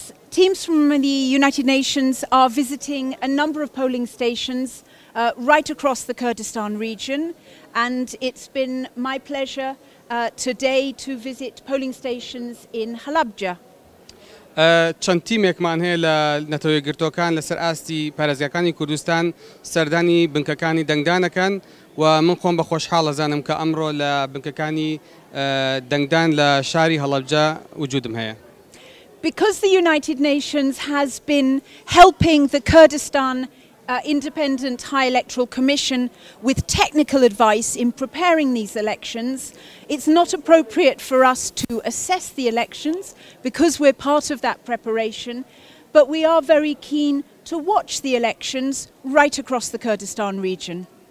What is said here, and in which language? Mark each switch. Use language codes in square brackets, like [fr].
[en] Teams from the United Nations are visiting a number of polling stations right across the Kurdistan region, and it's been my pleasure today to visit polling stations in Halabja. [ckb] چند تیمێک مان هەیە لە نەتەوە یەکگرتوەکان لەسەر ئاستی پارێزگاکانی کوردستان سەردانی بنکەکانی دەنگدانەکەن و من خۆم بە خۆشحاڵە زانم کە ئەمڕۆ لە بنکەکانی دەنگدان لە شاری هەڵەبجە وجودم هەیە. [en] Because the United Nations has been helping the Kurdistan Independent High Electoral Commission with technical advice in preparing these elections, it's not appropriate for us to assess the elections because we're part of that preparation, but we are very keen to watch the elections right across the Kurdistan region.